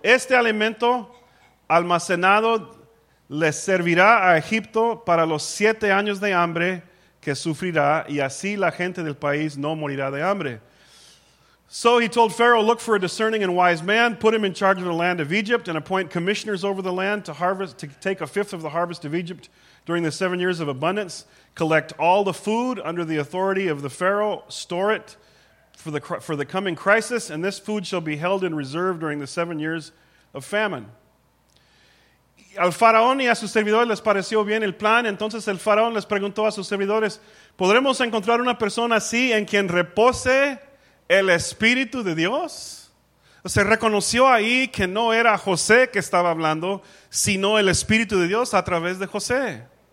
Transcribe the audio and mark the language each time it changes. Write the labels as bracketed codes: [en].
[es] Este alimento almacenado le servirá a Egipto para los 7 años de hambre que sufrirá, y así la gente del país no morirá de hambre." [en] So he told Pharaoh, "Look for a discerning and wise man, put him in charge of the land of Egypt, and appoint commissioners over the land to harvest, to take a fifth of the harvest of Egypt during the 7 years of abundance. Collect all the food under the authority of the Pharaoh, store it for the coming crisis, and this food shall be held in reserve during the 7 years of famine." [es] Al faraón y a sus servidores les pareció bien el plan. Entonces el faraón les preguntó a sus servidores, "¿Podremos encontrar una persona así en quien repose el Espíritu de Dios?" Se reconoció ahí que no era José que estaba hablando, sino el Espíritu de Dios a través de José.